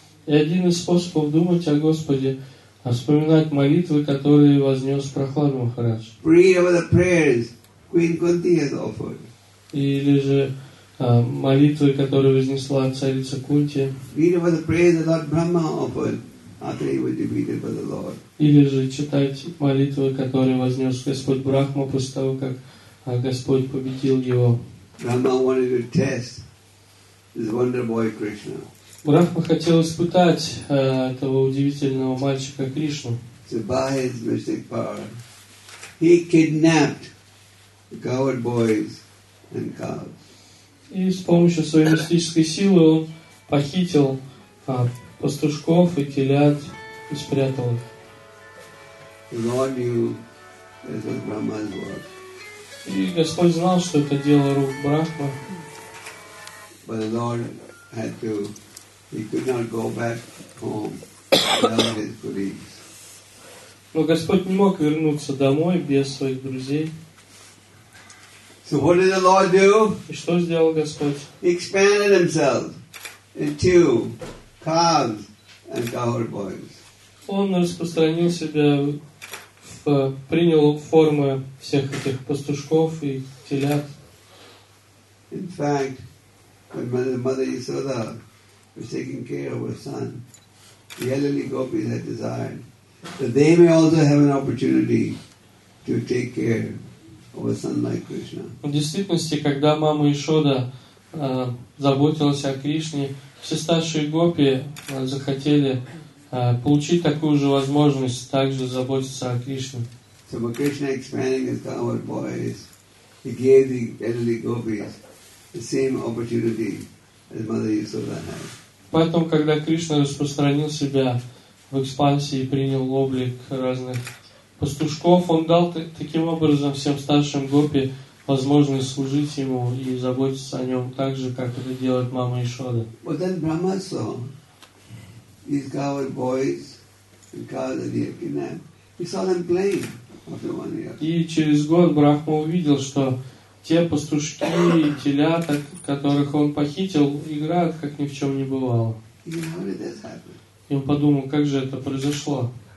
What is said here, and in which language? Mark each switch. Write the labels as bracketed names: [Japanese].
[Russian] И один из способов думать о Господе, вспоминать молитвы, которые вознес Прохлад Махарадж. [English] Pray about the prayers Queen Kunti has offered. [Russian] Или же молитвы, которые вознесла царица Кунти. [English] Read about the prayers that Lord Brahma offered after he was defeated by the Lord. [Russian] Или же читать молитвы, которые вознес Господь Брахма после того, как Господь победил его. [English] Brahma wanted to test his wonder boy Krishna. [Russian] Брахма хотел испытать этого удивительного мальчика Кришну. [English] So by his mystic power, he kidnapped the coward boys and cows. [Russian] И с помощью своей мистической силы он похитил пастушков и телят и спрятал их. [English] Lord knew it was Brahma's work. [Russian] И Господь знал, что это дело рук Брахма. [English] But the Lord had to, he could not go back home without his colleagues. [Russian] Но Господь не мог вернуться домой без своих друзей. [English] So what did the Lord do? [Russian] И что сделал Господь? [English] He expanded himself into calves and cowherd boys. [Russian] Он распространил себя, принял форму всех этих пастушков и телят. [English] In fact, when Mother Yasoda was taking care of her son, the elderly gopis had desired that they may also have an opportunity to take care of a son like Krishna. [Russian] В действительности, когда мама Ишода заботилась о Кришне, все старшие гопи захотели получить такую же возможность также заботиться о Кришне. [English] So when Krishna expanding his coward boys, he gave the elderly gopis the same opportunity as Mother Yasoda had. [Russian] Потом, когда Кришна распространил себя в экспансии и принял облик разных пастушков, он дал таким образом всем старшим гопи возможность служить ему и заботиться о нем так же, как это делает мама Ишода. [English] But then Brahma saw these coward boys and cows that he had kidnapped. He saw them playing after 1 year. [Russian] И через год Брахма увидел, что те пастушки и телята, которых он похитил, играют, как ни в чем не бывало. И он подумал, как же это произошло.